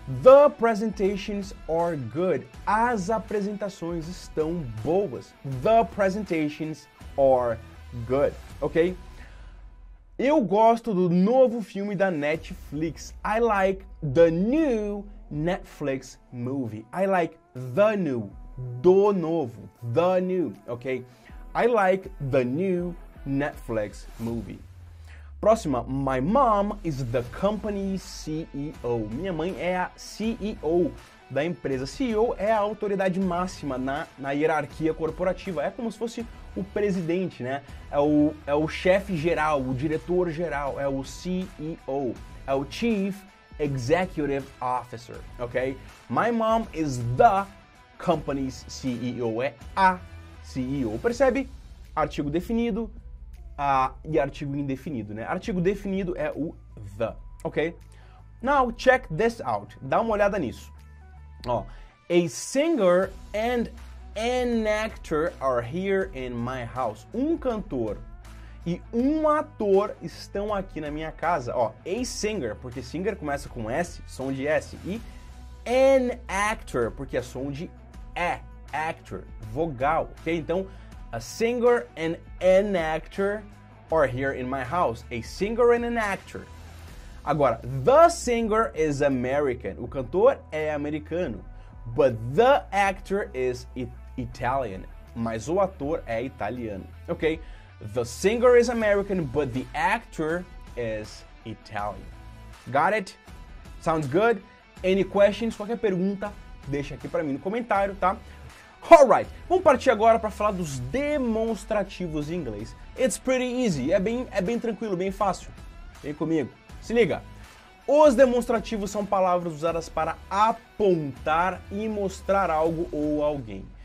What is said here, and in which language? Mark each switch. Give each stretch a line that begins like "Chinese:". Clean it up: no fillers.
English: The presentations are good.
Portuguese: As apresentações estão boas.
English: The presentations are good. Ok?
Portuguese: Eu gosto do novo filme da Netflix.
English: I like the new Netflix movie. I like the new.
Portuguese: Do novo.
English: The new. Ok? I like the new Netflix movie. Próxima, my mom is the company CEO.
Portuguese: Minha mãe é a CEO da empresa. CEO é a autoridade máxima na hierarquia corporativa. É como se fosse o presidente, né? É o chefe geral, o diretor geral, é o CEO, é o Chief Executive Officer, ok?
English: My mom is the company's CEO.
Portuguese: É a CEO. Percebe? Artigo definido. E artigo indefinido, né? Artigo definido é o the, ok?
English: Now check this out.
Portuguese: Dá uma olhada nisso.
English: Ó, a singer and an actor are here in my house.
Portuguese: Um cantor e um ator estão aqui na minha casa. Ó, a singer, porque singer começa com S, som de S, e an actor, porque é som de E, actor, vogal, ok? Então,
English: a singer and an actor are here in my house. A singer and an actor. Agora, the singer is American.
Portuguese: O cantor é americano.
English: But the actor is Italian.
Portuguese: Mas o ator é italiano.
English: Ok? The singer is American, but the actor is Italian. Got it? Sounds good? Any questions?
Portuguese: Qualquer pergunta, deixa aqui pra mim no comentário, tá? Alright, vamos partir agora para falar dos demonstrativos em inglês.
English: It's pretty easy,
Portuguese: é bem tranquilo, bem fácil. Vem comigo, se liga. Os demonstrativos são palavras usadas para apontar e mostrar algo ou alguém.